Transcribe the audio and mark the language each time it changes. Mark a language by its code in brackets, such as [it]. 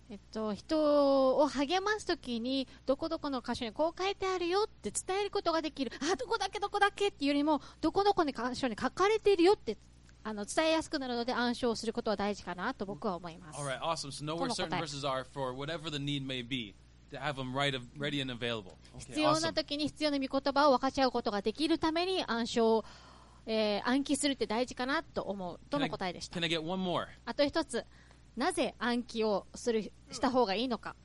[ja] 人を励ますときにどこどこの箇所にこう書いてあるよって伝えることができる。あ、どこだっけっていうよりもどこどこの箇所に書かれているよって。伝えやすくなるので暗唱することは大事かなと僕は思います。 [en] All right, awesome. So know where certain verses are for whatever the need may be to have them right, ready and available. [ja] Okay, 必要な時に必要な御言葉を分かち合うことができるために暗唱、暗記するって大事かなと思うとの答えでした。 [en] Can I get one more? [ja] あと一つ、なぜ暗記をするした方がいいのか。